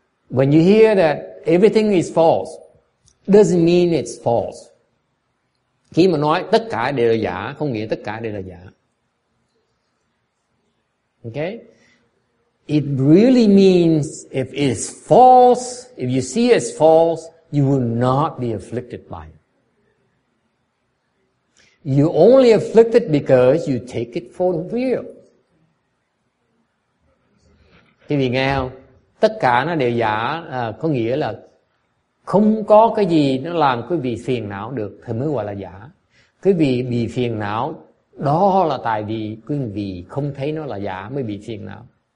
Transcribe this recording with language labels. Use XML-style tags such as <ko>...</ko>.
<en>When you hear that everything is false, doesn't mean it's false.</en> <vi>Khi mà nói tất cả đều là giả, không nghĩa tất cả đều là giả.</vi> <en>Okay? It really means if it is false, if you see it's false, you will not be afflicted by it. You're only afflicted because you take it for real.</en> <vi>Quý vị nghe không? Tất cả nó đều giả, có nghĩa là không có cái gì nó làm quý vị phiền não được thì mới gọi là giả. Quý vị bị phiền não đó là tại vì quý vị không thấy nó là giả mới bị phiền não.</vi>